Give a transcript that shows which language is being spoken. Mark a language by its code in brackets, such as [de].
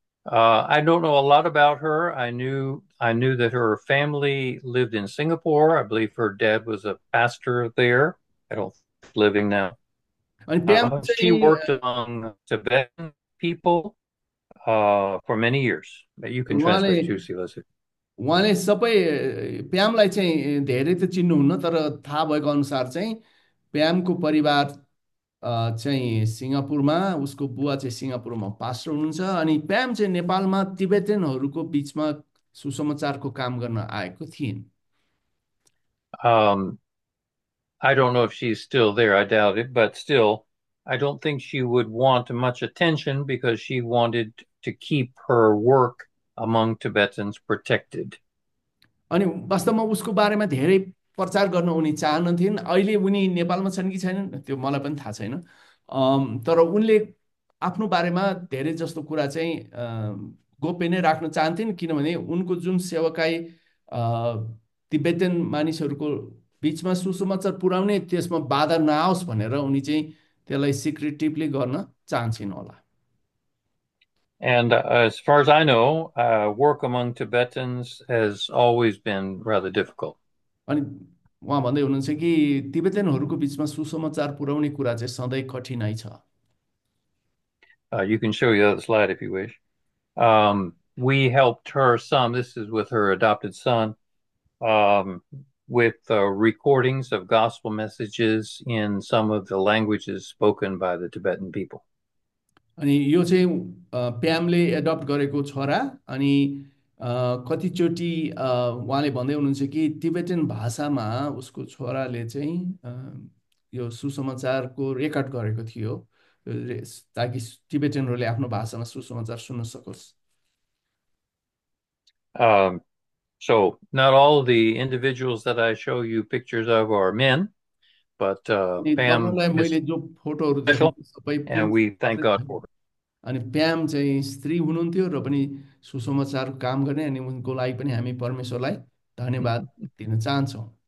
[en] I don't know a lot about her. I knew that her family lived in Singapore. I believe her dad was a pastor there. I don't living now. [ne] अनि प्याम [en] She [ne] चाहिँ [en] worked among Tibetan people for many years. You can translate too, Silas. [ne] उहाँले सबै प्यामलाई चाहिँ धेरै त चिन्नुहुन्न तर थाहा भएको अनुसार चाहिँ प्यामको परिवार चाहिँ सिङ्गापुरमा उसको बुवा चाहिँ सिङ्गापुरमा पास्टर हुनुहुन्छ अनि प्याम चाहिँ नेपालमा तिब्बतनहरूको बिचमा सुसमाचारको काम गर्न आएको थिइन्। [en] I don't know if she's still there, I doubt it, but still, I don't think she would want much attention because she wanted to keep her work among Tibetans protected. [ne] अनि वास्तवमा उसको बारेमा धेरै प्रचार गर्न उनी चाहनुहुन्थेन। अहिले उनी नेपालमा छन् कि छैनन् त्यो मलाई पनि थाहा छैन। तर उनले आफ्नो बारेमा धेरै जस्तो कुरा चाहिँ गोप्य नै राख्न चाहन्थेन् किनभने उनको जुन सेवकाई तिब्बतन मानिसहरूको बिचमा सुसमाचार पुर्याउने त्यसमा बाधा नआओस् भनेर उनी चाहिँ त्यसलाई सिक्रेटिभली गर्न चाहन्छन् होला। [en] And as far as I know, work among Tibetans has always been rather difficult. [ne] अनि उहाँ भन्दै हुनुहुन्छ कि तिब्बतनहरूको बिचमा सुसमाचार पुर्याउने कुरा चाहिँ सधैँ कठिनाइ छ। [en] You can show the other slide if you wish. We helped her some. This is with her adopted son, with recordings of gospel messages in some of the languages spoken by the Tibetan people. [ne] अनि यो चाहिँ प्यामले adapt गरेको छोरा अनि कतिचोटि उहाँले भन्दै हुनुहुन्छ कि तिब्बतन भाषामा उसको छोराले चाहिँ यो सुसमाचारको रेकर्ड गरेको थियो ताकि तिब्बतनहरूले आफ्नो भाषामा सुसमाचार सुन्न सकोस्। [en] So not all the individuals that I show you pictures of are men, but Pam [ne] तपाईँलाई [en] is [ne] मैले जो फोटोहरू [en] special, [ne] देखाउँछु सबै [en] and [ne] पुरुष [en] we thank God for [ne] अनि [en] her. [ne] प्याम चाहिँ स्त्री हुनुहुन्थ्यो र पनि सुसमाचार काम गर्ने अनि उनको लागि पनि हामी परमेश्वरलाई धन्यवाद दिन चाहन्छौँ।